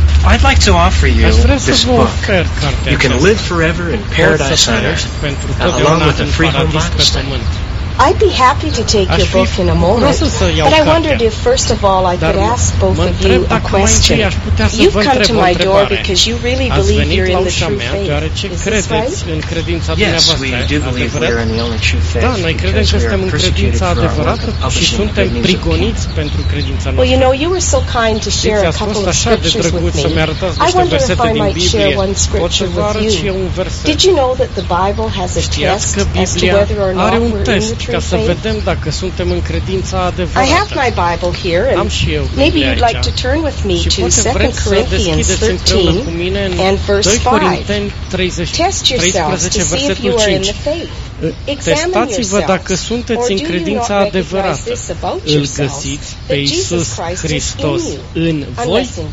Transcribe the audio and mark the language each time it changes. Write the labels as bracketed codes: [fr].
[en] I'd like to offer you this book. You can live forever in paradise on earth, along with a free home Bible study. I'd be happy to take your book in a moment, but I wondered if, first of all, I could ask both of you a question. You've come to my door because you really believe you're in the true faith. Is this right? Yes, we do believe we are in the only true faith. [ro] Da, noi credem că suntem în credința adevărată și suntem prigoniți pentru credința noastră. [en] Well, you know, you were so kind to share a couple of scriptures with me. I wonder if I might share one scripture with you. Did you know that the Bible has a test as to whether or not we're in [ro] ca să vedem dacă suntem în credința adevărată. [en] I have my Bible here, and maybe you'd like to turn with me to 2 Corinthians 13 and verse 5. Test yourself to see if you are in the faith. [ro] Testați-vă dacă sunteți în credința adevărată. Îl găsiți pe Iisus Hristos în voi?